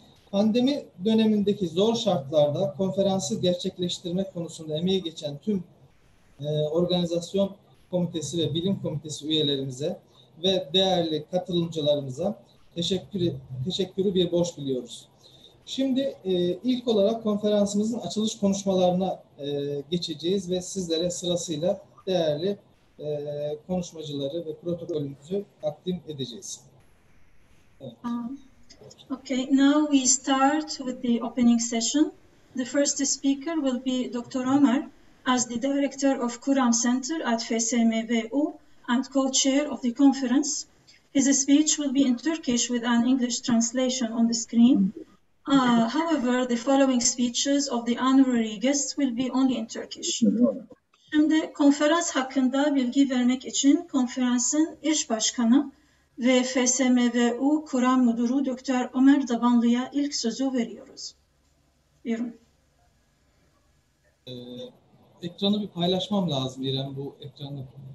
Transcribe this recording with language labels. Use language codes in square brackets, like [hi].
[tr] Pandemi dönemindeki zor şartlarda konferansı gerçekleştirmek konusunda emeği geçen tüm organizasyon komitesi ve bilim komitesi üyelerimize ve değerli katılımcılarımıza teşekkürü bir borç biliyoruz. Şimdi ilk olarak konferansımızın açılış konuşmalarına geçeceğiz ve sizlere sırasıyla değerli konuşmacıları ve protokolümüzü takdim edeceğiz. [en] Okay, now we start with the opening session. The first speaker will be Dr. Ömer, as the director of Kuram Center at FSMVU and co-chair of the conference. His speech will be in Turkish with an English translation on the screen. However, the following speeches of the honorary guests will be only in Turkish. [tr] Şimdi konferans hakkında bilgi vermek için konferansın iş başkanı ve FSMVU Kuram Müdürü Dr. Ömer Dabanlı'ya ilk sözü veriyoruz. Buyurun. Ekranı bir paylaşmam lazım İrem, bu ekranı.